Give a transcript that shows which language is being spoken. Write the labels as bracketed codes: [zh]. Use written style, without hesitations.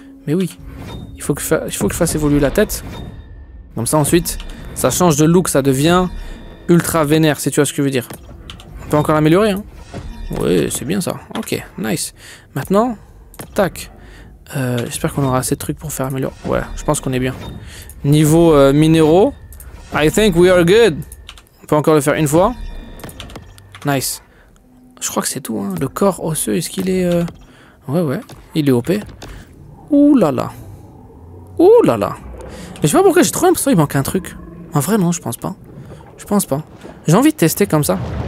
[fr] Mais oui, il faut que je fasse évoluer la tête. Comme ça ensuite, ça change de look, ça devient ultra vénère, si tu vois ce que je veux dire. On peut encore l'améliorer, hein. Oui, c'est bien ça. Ok, nice. Maintenant, tac. J'espère qu'on aura assez de trucs pour faire améliorer. Ouais, je pense qu'on est bien. Niveau minéraux, [en] I think we are good. [fr] On peut encore le faire une fois. Nice. Je crois que c'est tout, hein. Le corps osseux, est-ce qu'il est... Ouais. Il est OP. Ouh là là. Mais je sais pas pourquoi, j'ai trop l'impression qu'il manque un truc. En vrai, non, je pense pas. J'ai envie de tester comme ça.